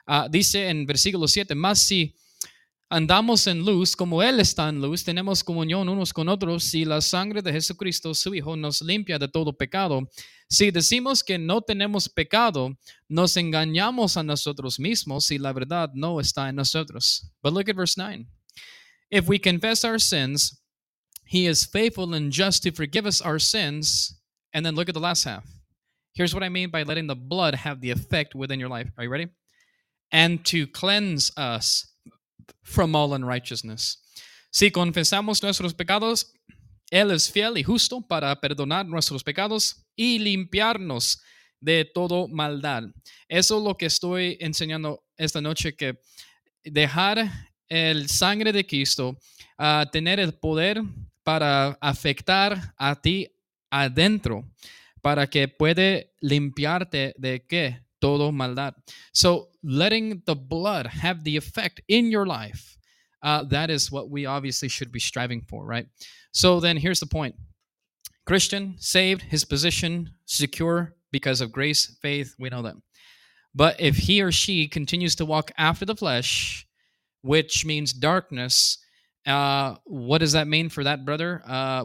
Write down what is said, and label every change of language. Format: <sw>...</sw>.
<es>Dice en versículo 7, más si andamos en luz, como Él está en luz, tenemos comunión unos con otros, si la sangre de Jesucristo, su Hijo, nos limpia de todo pecado. Si decimos que no tenemos pecado, nos engañamos a nosotros mismos, si la verdad no está en nosotros.</es> <en>But look at verse 9. If we confess our sins, He is faithful and just to forgive us our sins. And then look at the last half. Here's what I mean by letting the blood have the effect within your life. Are you ready? And to cleanse us from all unrighteousness.</en> <es>Si confesamos nuestros pecados, Él es fiel y justo para perdonar nuestros pecados y limpiarnos de todo maldad. Eso es lo que estoy enseñando esta noche, que dejar el sangre de Cristo a tener el poder para afectar a ti adentro, para que puede limpiarte de qué? Todo maldad.</es> <en>So letting the blood have the effect in your life, that is what we obviously should be striving for, right? So then here's the point. Christian, saved, his position, secure because of grace, faith, we know that. But if he or she continues to walk after the flesh, which means darkness, what does that mean for that brother?</en>